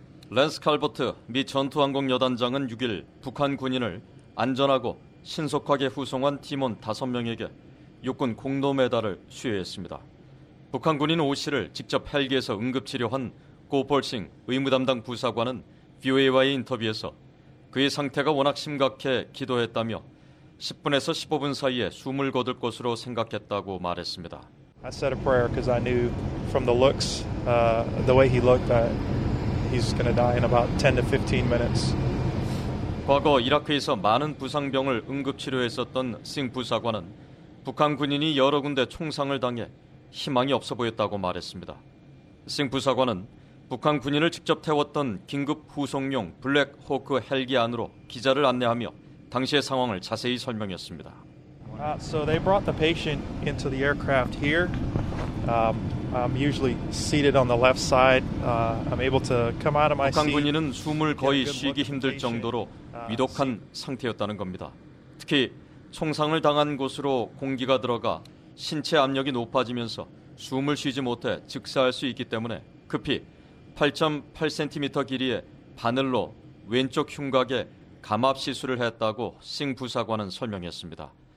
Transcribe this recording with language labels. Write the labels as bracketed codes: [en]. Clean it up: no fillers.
[ko] 랜스 칼버트 미 전투항공여단장은 6일 북한 군인을 안전하고 신속하게 후송한 팀원 5명에게 육군 공로메달을 수여했습니다. 북한 군인 오 씨를 직접 헬기에서 응급치료한 고폴싱 의무담당 부사관은 VOA와의 인터뷰에서 그의 상태가 워낙 심각해 기도했다며 10분에서 15분 사이에 숨을 거둘 것으로 생각했다고 말했습니다. [en] I said a prayer because I knew from the looks, the way he looked, that he's going to die in about 10 to 15 minutes. [ko] 과거 이라크에서 많은 부상병을 응급치료했었던 싱 부사관은 북한 군인이 여러 군데 총상을 당해 희망이 없어 보였다고 말했습니다. 싱 부사관은 북한 군인을 직접 태웠던 긴급 후송용 블랙호크 헬기 안으로 기자를 안내하며 당시의 상황을 자세히 설명했습니다. [en] So they brought the patient into the aircraft here. I'm usually seated on the left side. I'm able to come out of my seat. [ko] 북한 군인은 숨을 거의 쉬기 힘들 정도로 위독한 상태였다는 겁니다. 특히 총상을 당한 곳으로 공기가 들어가 신체 압력이 높아지면서 숨을 쉬지 못해 즉사할 수 있기 때문에 급히 8.8cm 길이의 바늘로 왼쪽 흉곽에 감압 시술을 했다고 싱 부사관은 설명했습니다.